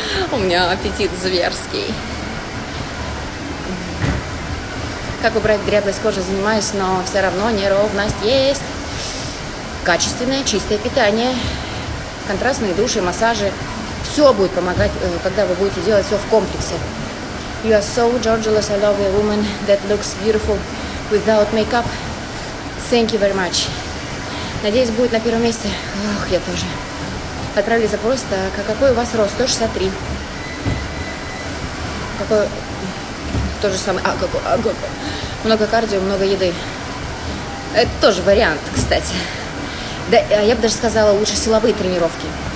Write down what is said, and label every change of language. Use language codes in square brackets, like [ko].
[ru] У меня аппетит зверский. Как убрать дряблость кожи? Занимаюсь, но все равно неровность есть. Качественное, чистое питание, контрастные души, массажи. Все будет помогать, когда вы будете делать все в комплексе. [en] You are so gorgeous, I love a woman that looks beautiful without makeup. Thank you very much. [ru] Надеюсь, будет на первом месте. Ох, я тоже. Отправили запрос, так, а какой у вас рост? 163. Какой? То же самое. А, какой? А, какой? Много кардио, много еды. Это тоже вариант, кстати. Да, я бы даже сказала, лучше силовые тренировки.